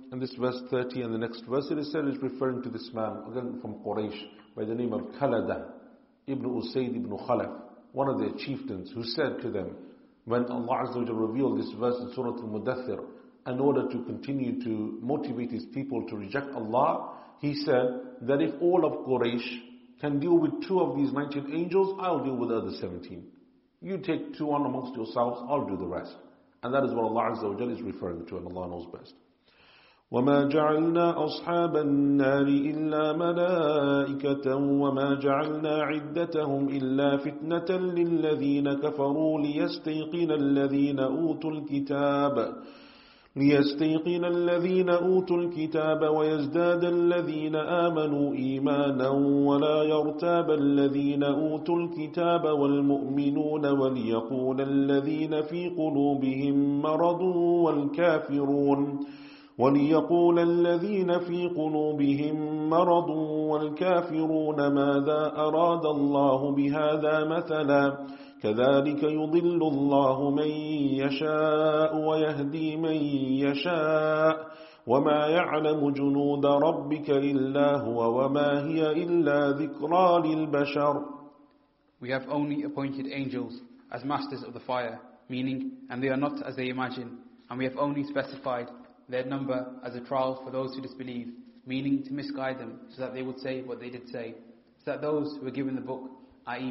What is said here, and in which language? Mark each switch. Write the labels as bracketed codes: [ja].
[en] In this verse 30 and the next verse, it is said, is referring to this man, again from Quraysh, by the name of Kalada ibn Usayd ibn Khalaf, one of their chieftains, who said to them, when Allah Azza wa Jalla revealed this verse in Surah Al-Mudathir, in order to continue to motivate his people to reject Allah, he said that if all of Quraysh can deal with 2 of these 19 angels, I'll deal with the other 17. You take 2 on amongst yourselves, I'll do the rest. And that is what Allah Azza wa Jalla is referring to, and Allah knows best. [ar] وَمَا جَعَلْنَا أَصْحَابَ النَّارِ إِلَّا مَلَائِكَةً وَمَا جَعَلْنَا عِدَّتَهُمْ إِلَّا فِتْنَةً لِلَّذِينَ كَفَرُوا لِيَسْتَيْقِنَ الَّذِينَ أُوتُوا الْكِتَابَ ليستيقن الذين أوتوا الكتاب ويزداد الذين آمنوا إيمانا ولا يرتاب الذين أوتوا الكتاب والمؤمنون وليقول الذين في قلوبهم مرض والكافرون وليقول الذين في قلوبهم مرض والكافرون ماذا أراد الله بهذا مثلا كذلك يضل الله من يشاء ويهدي من يشاء وما يعلم جنود ربك إلا هو وما هي إلا ذكرى للبشر. [en] We have only appointed angels as masters of the fire, meaning, and they are not as they imagine, and we have only specified their number as a trial for those who disbelieve, meaning to misguide them so that they would say what they did say, so that those who were given the book, i.e.